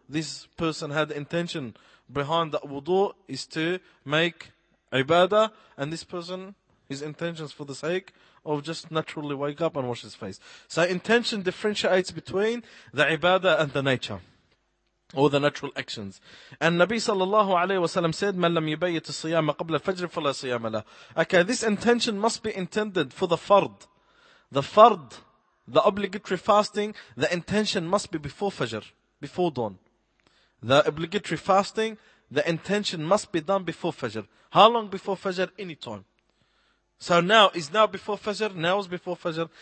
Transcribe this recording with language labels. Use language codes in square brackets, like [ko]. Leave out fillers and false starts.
[en] This person had the intention behind that wudu is to make ibadah, and this person, his intentions for the sake of just naturally wake up and wash his face. So intention differentiates between the ibadah and the nature, or the natural actions. And Nabi sallallahu alayhi wa sallam said, [ar] مَنْ لَمْ يُبَيِّتُ الصِّيَامَ قَبْلَ الْفَجْرِ فَلَا صِيَامَ لَهُ. [en] Okay, this intention must be intended for the fard. The fard, the obligatory fasting, the intention must be before fajr, before dawn. The obligatory fasting, the intention must be done before fajr. How long before fajr? Any time. So now, is now before fajr? Now is before fajr.